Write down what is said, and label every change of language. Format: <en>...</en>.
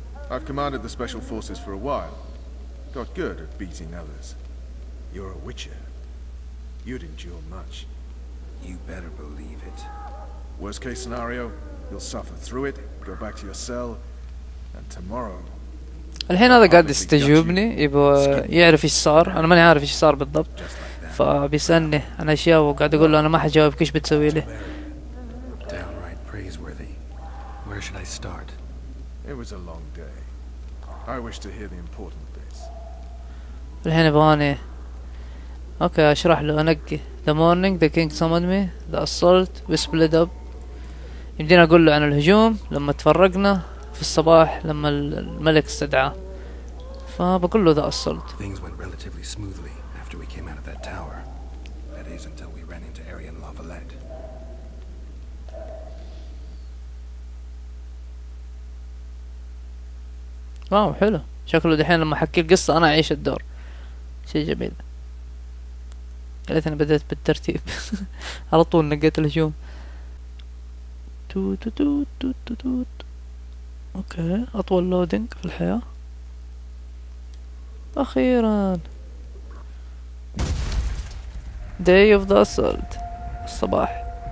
<en>I've commanded the Special Forces for a while. Got good at beating others. You're a Witcher. You'd endure much. You better believe it. Worst case scenario, you'll suffer through it, go back to your cell, and tomorrow...</en> <ar>الحين هذا قاعد يستجوبني، يبغى يعرف ايش صار. انا ماني عارف ايش صار بالضبط، فبيسالني عن اشياء وقاعد اقول له انا ما حجاوبك ايش بتسوي لي.</ar> <en>Downright praiseworthy. Where should I start? It was a long day. I wish to hear the important bits.</en> <ar>الحين يبغاني اوكي اشرح له. انقي.</ar> <en>The morning the king summoned me. The assault. We split up.</en> <ar>يمديني اقول له عن الهجوم لما تفرقنا. في الصباح لما الملك استدعاه، فبقول له</ar> <en>ذا أصلت. Things went relatively smoothly after we came out of that tower. That is until we ran into Arian Lavalette.</en> <ar>واو حلو، شكله دحين لما حكي القصة أنا أعيش الدور. شيء جميل. قلت انا بدأت بالترتيب على طول نقيت الهجوم. تو تو تو تو تو تو تو. اوكي اطول لودينج في الحياة اخيرا.</ar> <en>Day of the Assault</en> <ar>الصباح.</ar>